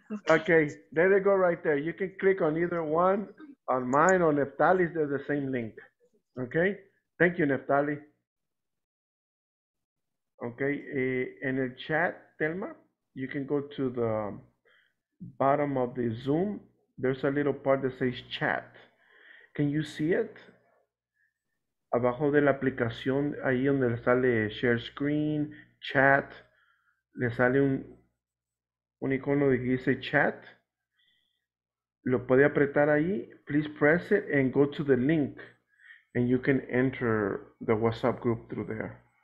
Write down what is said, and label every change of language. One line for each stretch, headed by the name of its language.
English: Okay, there they go right there. You can click on either one, on mine or Neftali's. They're the same link. Okay? Thank you, Neftali. Okay, in the chat, Thelma, you can go to the bottom of the Zoom. There's a little part that says chat. Can you see it?
Spanish: Abajo de la aplicación, ahí donde le sale share screen, chat, le sale un icono que dice chat. Lo puede apretar ahí.
English: Please press it and go to the link. And you can enter the WhatsApp group through there.